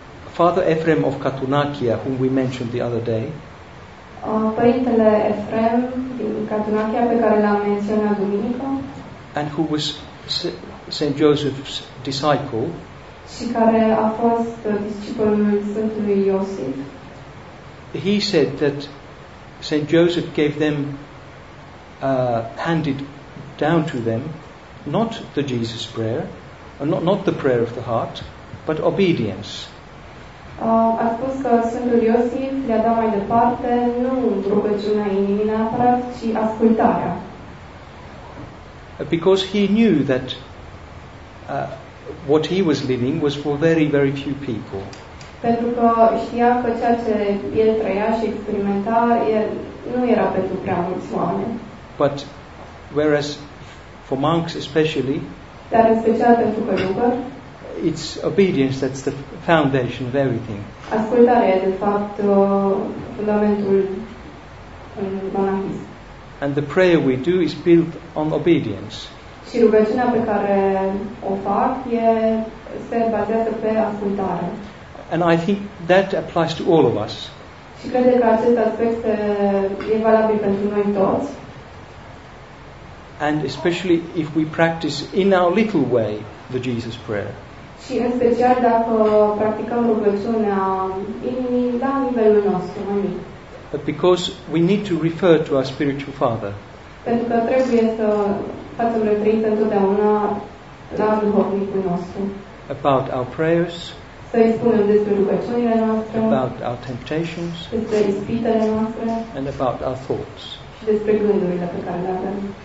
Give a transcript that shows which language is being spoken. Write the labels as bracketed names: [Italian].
[English] Father Ephrem of Katunakia, whom we mentioned the other day. [Romanian] Părintele Ephrem din Katunakia, pe care l-am menționat duminică. [English] And who was Saint Joseph's disciple. [Romanian] Și care a fost discipolul Sfântului Iosif. [English] He said that Saint Joseph gave them handed down to them not the Jesus prayer, not the prayer of the heart, but obedience. [Romanian] A spus că Sfântul Iosif le-a dat mai departe nu rugăciunea inimii neapărat, ci ascultarea. [English] Because he knew that what he was living was for very, very few people. [Romanian] Pentru că știa că ceea ce el trăia și experimenta nu era pentru prea mulți oameni. [English] But whereas for monks especially, [Romanian] dar în special pentru călugări, [English] it's obedience that's the foundation of everything. [Romanian] Ascultarea e de fapt fundamentul în monahism. [English] And the prayer we do is built on obedience. [Romanian] Și rugăciunea pe care o fac se bazează pe ascultare. [English] And I think that applies to all of us. [Romanian] Și cred că acest aspect e valabil pentru noi toți. [English] And especially if we practice in our little way the Jesus prayer. [Romanian] Și în special dacă practicăm rugăciunea inimii la nivelul nostru, [English] but because we need to refer to our spiritual father. [Romanian] Pentru că trebuie să facem referință întotdeauna la duhovnicul nostru. [English] About our prayers. [Romanian] Să îi spunem despre rugăciunile noastre. [English] About our temptations. [Romanian] Despre ispitele noastre. [English] And about our thoughts. [Romanian] Și despre gândurile pe care le avem.